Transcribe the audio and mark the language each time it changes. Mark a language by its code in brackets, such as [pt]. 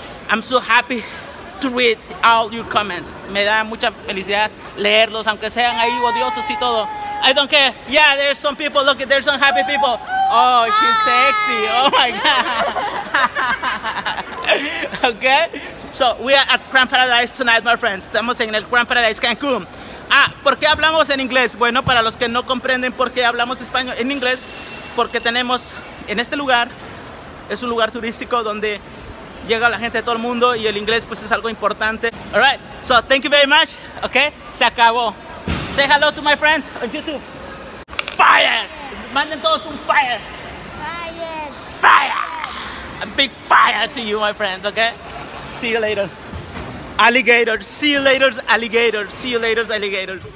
[en] I'm so happy to read all your comments. [es] Me da mucha felicidad leerlos, aunque sean ahí odiosos y todo. [en] I don't care. Yeah, there's some people. Look, there's some happy people. Oh, she's sexy. Oh my God. Okay? So we are at Grand Paradise tonight, my friends. [es] Estamos en el Grand Paradise Cancún. Ah, ¿por qué hablamos en inglés? Bueno, para los que no comprenden por qué hablamos español en inglés, porque tenemos en este lugar, es un lugar turístico donde llega la gente de todo el mundo y el inglés pues es algo importante. [en] All right, so thank you very much, okay? [es] Se acabó. [en] Say hello to my friends on YouTube. Fire! [es] Manden todos un fire. [en] Fire! Fire! A big fire to you, my friends, okay? See you later. Alligators, see you later, alligators, see you later, alligators.